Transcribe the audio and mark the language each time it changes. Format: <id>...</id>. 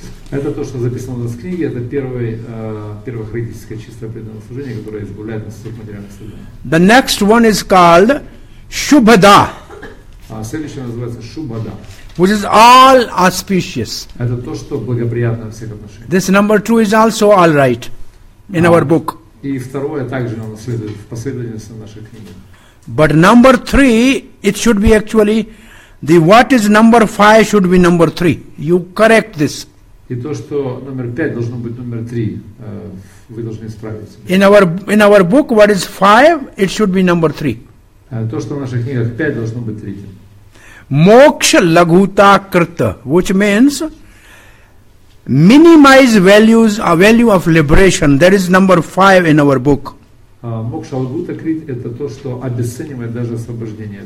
<ru>Это то, что записано у нас в книге, это первое характеристика чистого преданного служения, которое избавляет нас от материальных страданий.</ru> <en>The next one is called Шубхада.</en> <ru>Следующее называется Шубхада.</ru> <en>Which is all auspicious.</en> <ru>Это то, что благоприятно во всех отношениях.</ru> <en>This number two is also all right in our book.</en> <ru>И второе также оно следует в последовательности нашей книги.</ru> <en>But number three, it should be actually, what is number five should be number three. You correct this.</en> <ru>И то, что номер пять должно быть номер три, вы должны исправиться.</ru> <en>In our book, what is five, it should be number three.</en> <ru>То, что в наших книгах пять должно быть третьим.</ru> <en>Moksha laghuta krta, which means minimize values, a value of liberation. That is number five in our book.</en> <ru>Moksha laghuta krta, это то, что обесценивает даже освобождение.</ru>